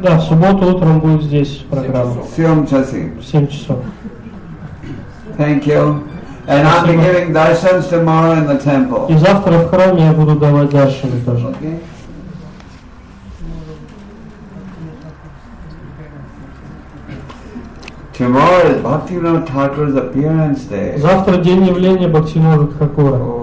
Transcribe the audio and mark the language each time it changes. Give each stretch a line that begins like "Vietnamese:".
Russian: Да, в субботу утром будет здесь программа. 7 часов. 7 часов.
English: Thank you. And I'll be giving darshans tomorrow in the temple.
Russian: И завтра в храме я буду давать даршаны тоже.
English: Tomorrow is Bhaktivinoda Thakur's appearance day.
Russian: Завтра день явления Бхактивинода Тхакура.